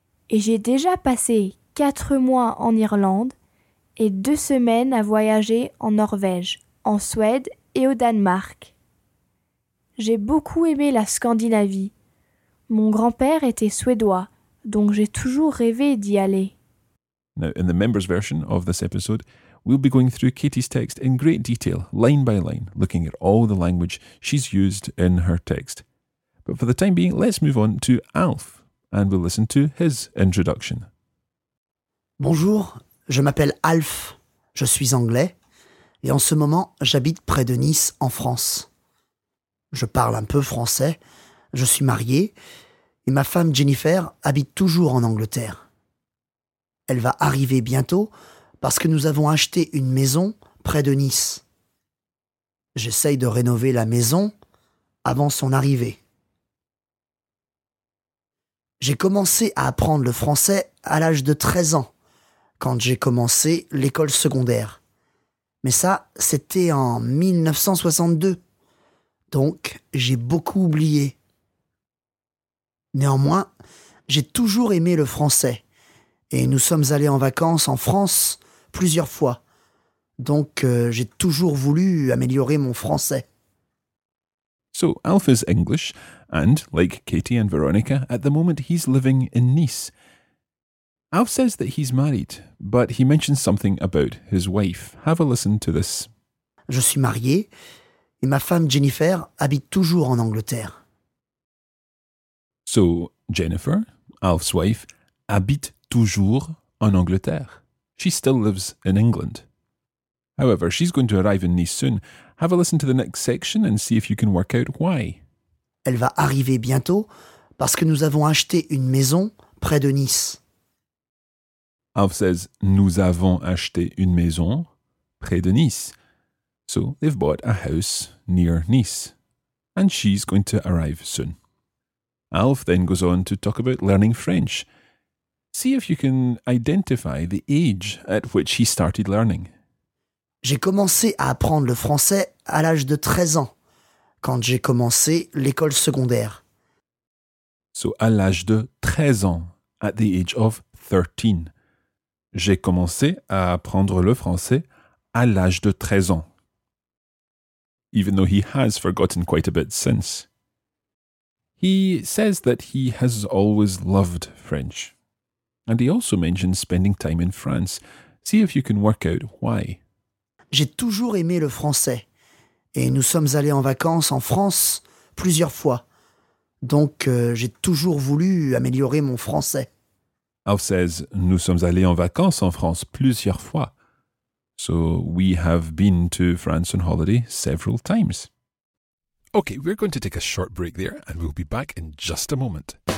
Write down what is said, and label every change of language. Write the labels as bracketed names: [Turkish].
[French] Et j'ai déjà passé 4 mois en Irlande et 2 semaines à voyager en Norvège, en Suède et au Danemark. J'ai beaucoup aimé la Scandinavie. Mon grand-père était suédois, donc j'ai toujours rêvé d'y aller. [English] Now, in the members' version of this episode, we'll be going through Katie's text in great detail, line by line, looking at all the language she's used in her text. But for the time being, let's move on to Alf, and we'll listen to his introduction. [French] Bonjour, je m'appelle Alf, je suis anglais, et en ce moment, j'habite près de Nice, en France. Je parle un peu français, je suis marié, et ma femme Jennifer habite toujours en Angleterre. Elle va arriver bientôt, parce que nous avons acheté une maison près de Nice. J'essaye de rénover la maison avant son arrivée. J'ai commencé à apprendre le français à l'âge de 13 ans, quand j'ai commencé l'école secondaire. Mais ça, c'était en 1962. Donc, j'ai beaucoup oublié. Néanmoins, j'ai toujours aimé le français. Et nous sommes allés en vacances en France plusieurs fois. Donc, j'ai toujours voulu améliorer mon français. [English] So, Alf is English, and like Katie and Veronica, at the moment he's living in Nice. Alf says that he's married, but he mentions something about his wife. Have a listen to this. [French] Je suis marié, et ma femme Jennifer habite toujours en Angleterre. [English] So, Jennifer, Alf's wife, [French] habite toujours en Angleterre. [English] She still lives in England. However, she's going to arrive in Nice soon. Have a listen to the next section and see if you can work out why. [French] Elle va arriver bientôt parce que nous avons acheté une maison près de Nice. [English] Alf says, [French] nous avons acheté une maison près de Nice. [English] So, they've bought a house near Nice. And she's going to arrive soon. Alf then goes on to talk about learning French. See if you can identify the age at which he started learning. [French] J'ai commencé à apprendre le français à l'âge de 13 ans, quand j'ai commencé l'école secondaire. [English] So, [French] à l'âge de 13 ans, [English] at the age of 13. [French] J'ai commencé à apprendre le français à l'âge de 13 ans. [English] Even though he has forgotten quite a bit since. He says that he has always loved French. And he also mentions spending time in France. See if you can work out why. [French] J'ai toujours aimé le français. Et nous sommes allés en vacances en France plusieurs fois. Donc, j'ai toujours voulu améliorer mon français. [English] Alf says, [French] nous sommes allés en vacances en France plusieurs fois. [English] So, we have been to France on holiday several times. Okay, we're going to take a short break there and we'll be back in just a moment.